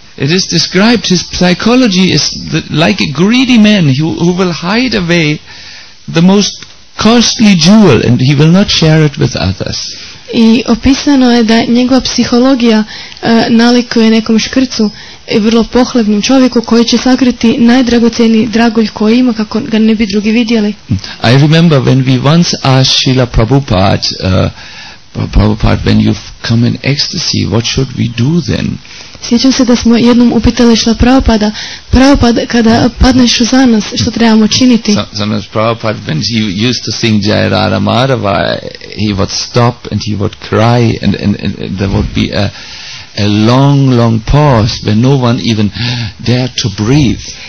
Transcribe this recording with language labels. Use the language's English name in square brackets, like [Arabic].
[English] It is described his psychology is like a greedy man who will hide away the most costly jewel and he will not share it with others. [Croatian] I opisano je da njegova psihologija nalikuje nekom škrcu i vrlo pohlebnom čovjeku koji će sakriti najdragocjeniji dragulj koji ima kako ga ne bi drugi vidjeli. [English] I remember when we once asked Srila Prabhupada, Prabhupada, when you've come in ecstasy, what should we do then? [Croatian] Sjećam se da smo jednom upitali Šila Prabhupada, Prabhupada, kada padneš u zanos, što trebamo činiti? [English] Sometimes Prabhupada, when he used to sing Jai Radha Madhava, he would stop and he would cry and there would be a long pause when no one even dared to breathe.